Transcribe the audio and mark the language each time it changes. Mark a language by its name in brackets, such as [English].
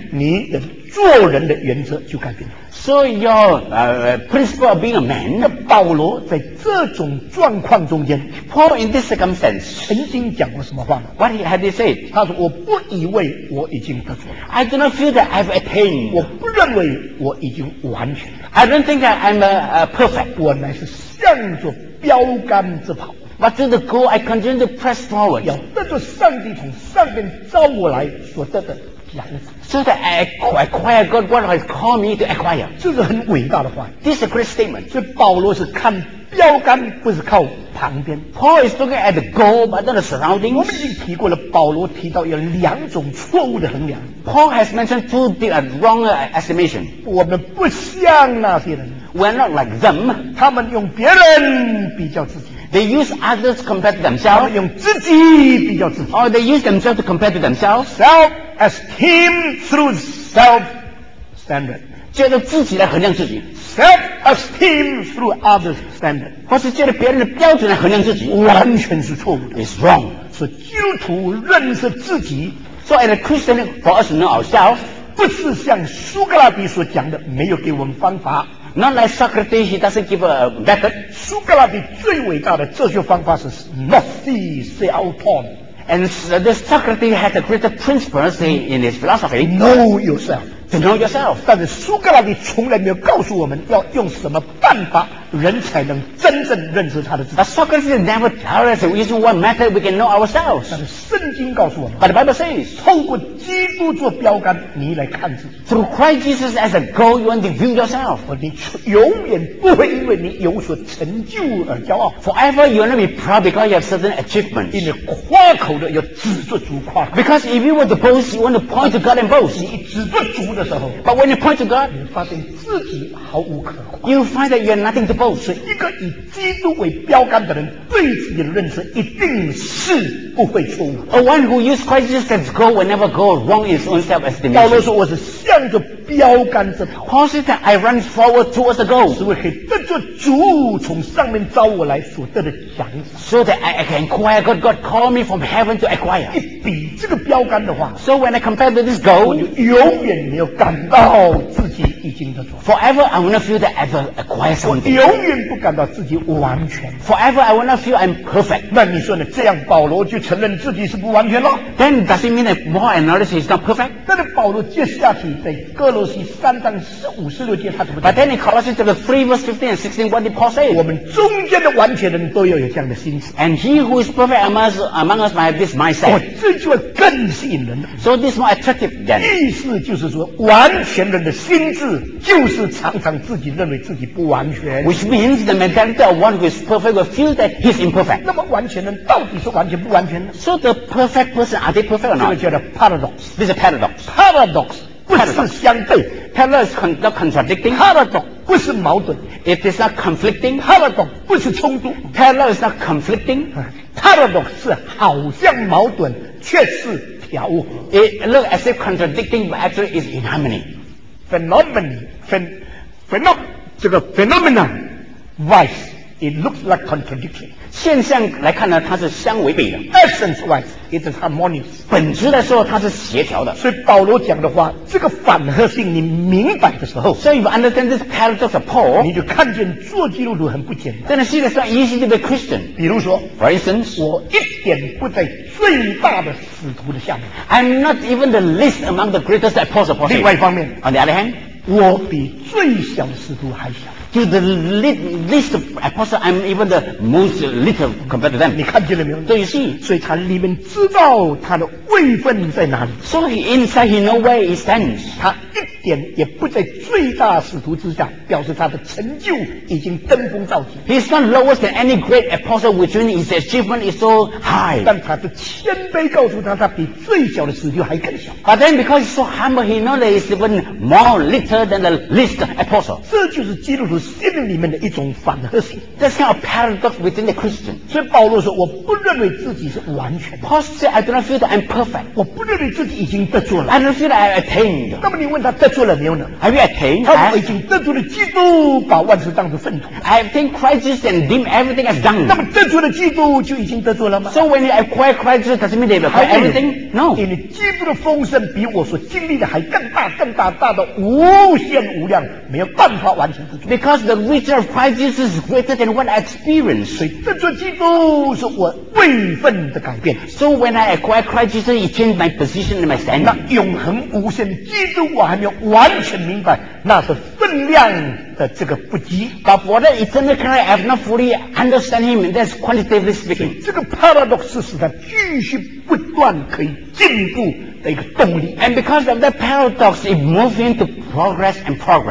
[Chinese] 你的做人的原则就改变了。 [English] So your principle of being a man, [Chinese] 保罗在这种状况中间 [English] ，Paul in this circumstance [Chinese] 曾经讲过什么话 [English] ？What had he said? [Chinese] 他说：“我不以为我已经得着了。 [English] ”I do not feel that I've attained. [Chinese] 我不认为我已经完全了。 [English] I don't think that I'm a perfect. [Chinese] 我乃是向着标杆直跑。 [English] But to the goal, I continue to press forward. [Chinese] 要得着上帝从上边召我来所得的。 [English] So that I acquire God, what has called me to acquire. [Chinese] 这是很伟大的话。 [English] This is a great statement. [Chinese] 所以保罗是看标杆，不是靠旁边。 [English] Paul is looking at the goal, but not the surroundings. [Chinese] 我们已经提过了，保罗提到有两种错误的衡量。 [English] Paul has mentioned two different wrong estimation. [Chinese] 我们不像那些人。 [English] We're not like them. [Chinese] 他们用别人比较自己。 [English] They use others to compare to themselves. [Chinese] 他们用自己比较自己。 [English] Or they use themselves to compare to themselves. Self-esteem through self-standard. [Chinese] 觉得自己来衡量自己。 [English] Self-esteem through others' standard. [Chinese] 或是觉得别人的标准来衡量自己。完全是错误的。 [English] It's wrong. [Chinese] 是基督徒认识自己。 [English] So in a Christian, for us to know ourselves, [Chinese] 不是像苏格拉底所讲的，没有给我们方法。 [English] Not like Socrates, he doesn't give a method. [Chinese] 苏格拉底最伟大的哲学方法是 [English] Nothing say out on. And so this Socrates had a great principle in his philosophy. Know yourself. To know yourself. [Chinese] 但是苏格拉底从来没有告诉我们要用什么办法人才能真正认识他的自己。 [English] But Socrates never tell us using what method we can know ourselves. [Chinese] 但是圣经告诉我们。 [English] But the Bible says, [Chinese] 透过基督做标杆，你来看自己。 [English] Through Christ Jesus as a goal, you want to view yourself. [Chinese] 你永远不会因为你有所成就而骄傲。 [English] Forever, you will not be proud because you have certain achievements. [Chinese] 因为夸口的要指着主夸。 [English] Because if you want to boast, you want to point to God and boast. [Chinese] 你指着主的时候。 [English] But when you point to God, [Chinese] 你发现自己毫无可夸。 [English] You find that you have nothing to boast. [Chinese] 所以一个以基督为标杆的人对自己的认识一定是不会错误。 [English] A one who used Christ Jesus as goal will never go wrong in his own self-estimation. [Chinese] 保罗说我是向着标杆子跑。 [English] Paul said that I run forward towards the goal. [Chinese] 是为可以得着主从上面召我来所得的奖赏。 [English] So that I can acquire God. God call me from heaven to acquire. [Chinese] 一比这个标杆的话， [English] So when I compare to this goal, [Chinese] 我就永远没有感到自己已经得着。 [English] Forever I will not feel that I have acquired something. [Chinese] 永远不感到自己完全。 [English] Forever I will not feel I'm perfect. [Chinese] 那你说呢？这样保罗就承认自己是不完全了。 [English] Then does it mean that more analysis is not perfect? [Chinese] 但是保罗接下去在哥罗西三章十五十六节他怎么 [English] But then in Colossians 3 verse 15 and 16 what did Paul say? [Chinese] 我们中间的完全人都要有这样的心思。 [English] And he who is perfect among us might have this mindset. [Chinese] 哦，这句话更吸引人。 [English] So this more attractive than [Chinese] 意思就是说完全人的心智就是常常自己认为自己不完全。 [English] Which means the mentality of one who is perfect will feel that he is imperfect. [Chinese] 那么完全人到底是完全不完全呢？ [English] So the perfect person, are they perfect or not? [Chinese] 这个叫做 paradox. [English] This is a paradox. [Chinese] Paradox不是相对。 [English] Paradox is not contradicting. [Chinese] Paradox不是矛盾。 [English] It is not conflicting. [Chinese] Paradox不是冲突。 [English] Paradox is not conflicting. [Chinese] Paradox是好像矛盾，却是调和。 [English] It looks as if contradicting, but actually is in harmony. Phenomenon, [Chinese] 这个 [English] phenomenon, vice it looks like contradiction. [Chinese] 现象来看呢，它是相违背的。 [English] Essence wise, it is harmonious. [Chinese] 本质来说，它是协调的。所以保罗讲的话，这个反合性你明白的时候 [English] ，So you understand this paradox of Paul, [Chinese] 你就看见做基督徒很不简单。真的是一个算 [English] easy to be Christian. [Chinese] 比如说 [English] ，For instance, [Chinese] 我一点不在最大的使徒的下面。 [English] I'm not even the least among the greatest apostles. [Chinese] 另外一方面 [English] ，On the other hand, [Chinese] 我比最小的使徒还小。 [English] To the least apostle, I'm even the most little compared to them. [Chinese] 你看见了没有？对，是。所以他里面知道他的位分在哪里。 [English] So he inside he know where he stands. [Chinese] 他一点也不在最大使徒之下，表示他的成就已经登峰造极。 [English] He's not lower than any great apostle, which means his achievement is so high. [Chinese] 但他的谦卑告诉他，他比最小的使徒还更小。 [English] But then because he's so humble, he knows that he's even more little than the least apostle. [Chinese] 这就是基督徒。心里面的一种反合性 [English] That's kind of paradox within the Christian [Chinese] 所以保罗说我不认为自己是完全 [English] Paul said I do not feel that I'm perfect [Chinese] 我不认为自己已经得着了 [English] I don't feel that I attained [Chinese] 那么你问他得着了没有呢 [English] Have you attained? [Chinese] 他已经得着了基督把万事当作粪土 [English] I attained Christ Jesus and deem everything as dung [Chinese] 那么得着了基督就已经得着了吗 [English] So when you acquire Christ Jesus doesn't mean that you acquire everything? No [Chinese] 因为基督的丰盛比我所经历的还更大更大大的无限无量没有办法完全不足 [English] Because the riches of Christ Jesus is greater than what I experienced. [Chinese] 所以得着基督是我位分的改变。 [English] So when I acquire Christ Jesus, it changed my position and my standing. [Chinese] 那永恒无限基督我还没有完全明白，那是分量的这个不及。 [English] But for that eternal Christ, I have not fully understand him. That's quantitatively speaking. [Chinese] 这个 paradox 使他继续不断可以进步。的一个动力 [English] and because of that paradox, it moves into progress and progress.